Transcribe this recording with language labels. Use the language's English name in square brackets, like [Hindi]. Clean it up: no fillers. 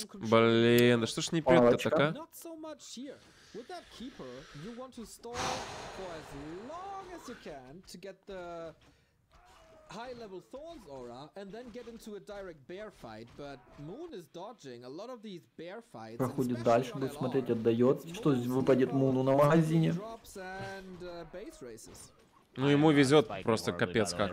[Russian] Блин, да что ж не пьет-то так, а? [English] With that keeper, you want to stall for as long as you can to get the high-level Thorns aura and then get into a direct bear fight. But Moon is dodging a lot of these bear fights. [Russian] Проходит дальше, будет смотреть, отдает. Что выпадет Муну на магазине? [English] And, [Russian] ну ему везет просто капец как.